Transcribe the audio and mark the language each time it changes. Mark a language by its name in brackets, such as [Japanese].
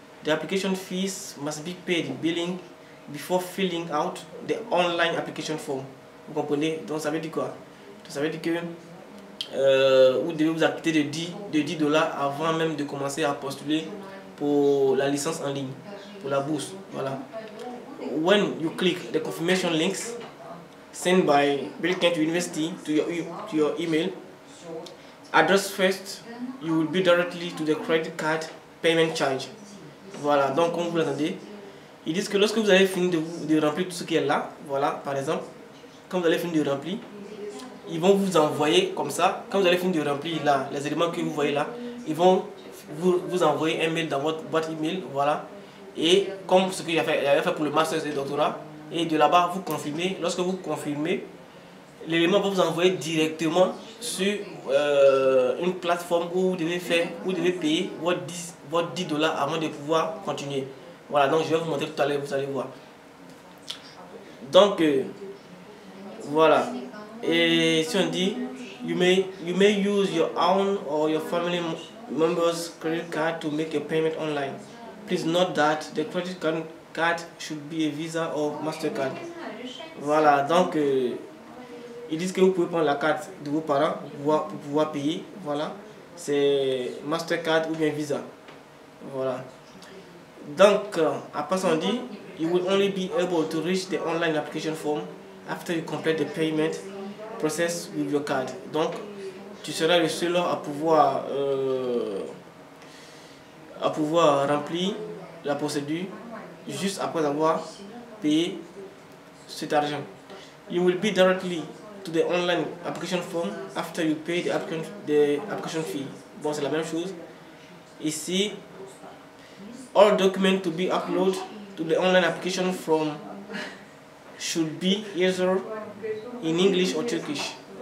[English] The application fees must be paid billing before filling out the online application form. [French] Vous comprenez? Donc ça veut dire quoi? Ça veut dire que vous devez vous acquitter de 10 $ avant même de commencer à postuler pour la licence en ligne, pour la bourse. Voilà. [English] When you click the confirmation links sent by Bilkent University to your email address first, you will be directly to the credit card payment charge. [French] Voilà, donc comme vous l'entendez, ils disent que lorsque vous avez fini de remplir tout ce qui est là, voilà, par exemple, quand vous avez fini de remplir, ils vont vous envoyer comme ça. Quand vous allez finir de remplir là, les éléments que vous voyez là, ils vont vous envoyer un mail dans votre boîte email. Voilà. Et comme ce que j'avais fait pour le master et le doctorat. Et de là-bas, vous confirmez. Lorsque vous confirmez, l'élément va vous envoyer directement sur une plateforme où vous devez payer votre 10 $ avant de pouvoir continuer. Voilà. Donc, je vais vous montrer tout à l'heure. Vous allez voir. Donc, voilà. Et si on dit [English] you may use your own or your family member's credit card to make a payment online. Please note that the credit card should be a Visa or Mastercard. [French] Voilà, donc ils disent que vous pouvez prendre la carte de vos parents pour pouvoir payer. Voilà, c'est Mastercard ou bien Visa. Voilà, donc après ça on dit [English] you will only be able to reach the online application form after you complete the payment process with your card. [French] Donc tu seras le seul à pouvoir remplir la procédure juste après avoir payé cet argent. [English] You will be directly to the online application form after you pay the application fee. [French] Bon, c'est la même chose. [English] Ici, all documents to be uploaded to the online application form should be either in English or Turkish.